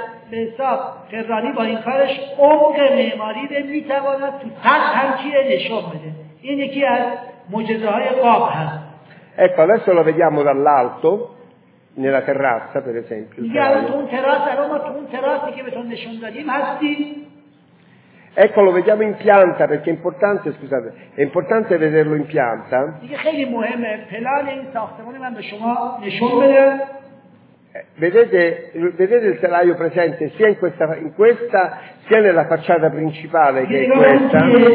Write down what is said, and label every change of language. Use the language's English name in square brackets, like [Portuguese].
[Persian] به حساب فرانی با این کارش عمق معماری رو میتواند تو سطح هم چیه نشون بده. این یکی از معجزه های قاب هست. [Italian] Ecco, adesso lo vediamo dall'alto, nella terrazza, per esempio. Dice, allora, tu un terrazzo, allora, tu un terrazzo che bisogna scendere, ma sì. Ecco, lo vediamo in pianta, perché è importante, scusate, è importante vederlo in pianta. [Persian] Dice, خیلی مهمه, پلان این ساختمان من به شما نشون بده. [Italian] Vedete il telaio presente sia in questa sia nella facciata principale che in questa.